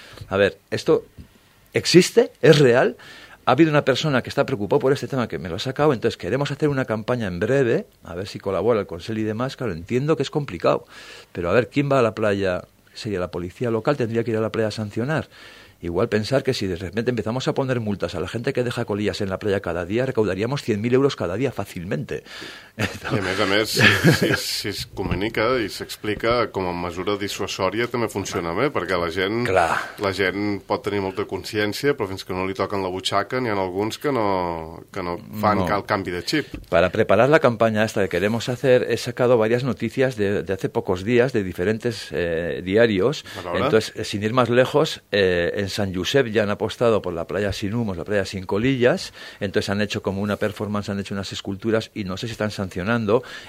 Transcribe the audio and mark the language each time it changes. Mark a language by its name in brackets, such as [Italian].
[Spanish] A ver, ¿esto existe? ¿Es real? Ha habido una persona que está preocupada por este tema, que me lo ha sacado, entonces queremos hacer una campaña en breve, a ver si colabora el Consell y demás, claro, entiendo que es complicado, pero a ver, ¿quién va a la playa? Sería la policía local, tendría que ir a la playa a sancionar. Igual pensar que si de repente empezamos a poner multas a la gente que deja colillas en la playa cada día, recaudaríamos 100.000 euros cada día fácilmente. [Catalan] Entonces... I a més, si es comunica i s'explica com a mesura dissuasòria també funciona bé, perquè la gent pot tenir molta consciència, però fins que no li toquen la butxaca n'hi ha alguns que no fan cal canvi de xip. [Spanish] Para preparar la campanya esta que queremos hacer, he sacado varias noticias de hace pocos días de diferentes diarios. Entonces, sin ir más lejos, en San Josep ya han apostado por la playa sin humos, la playa sin colillas, entonces han hecho como una performance, han hecho unas esculturas y no sé si están sancionando.